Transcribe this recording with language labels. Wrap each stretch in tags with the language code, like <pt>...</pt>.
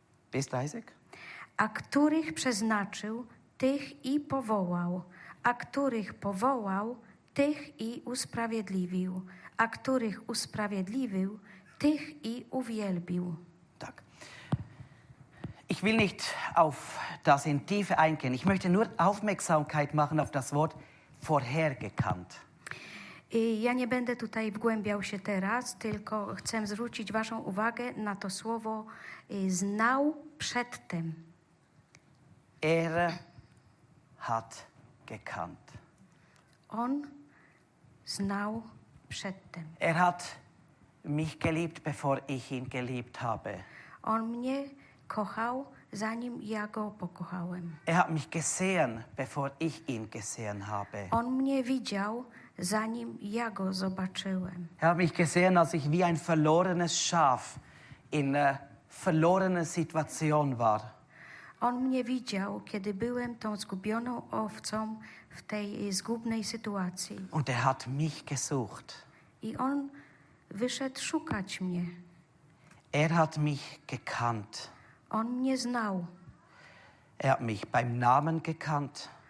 <de>Bis 30.</de> <pl>A których przeznaczył, tych i powołał. A których powołał, tych i usprawiedliwił. A których usprawiedliwił, tych i uwielbił. Tak.</pl> <de>Ich will nicht auf das in Tiefe eingehen. Ich möchte nur Aufmerksamkeit machen auf das Wort vorhergekannt.</de> <pl>I ja nie będę tutaj wgłębiał się teraz, tylko chcę zwrócić waszą uwagę na to słowo znał przedtem.</pl> <de>Er hat gekannt.</de> <pl>On znał przedtem.</pl> <de>Er hat mich geliebt, bevor ich ihn geliebt habe.</de> <pl>On mnie kochał, zanim ja go pokochałem.</pl> <de>Er hat mich gesehen, bevor ich ihn gesehen habe.</de> <pl>On mnie widział, zanim ja go zobaczyłem.</pl> <de>Er hat mich gesehen, als ich wie ein verlorenes Schaf in einer verlorenen Situation war.</de> <pl>On mnie widział, kiedy byłem tą zgubioną owcą w tej zgubnej sytuacji.</pl> <de>Und er hat mich gesucht.</de> <pl>I on wyszedł szukać mnie.</pl> <de>Er hat mich gekannt.</de> <pl>On mnie znał.</pl> <de>Er hat mich beim Namen gekannt.</de>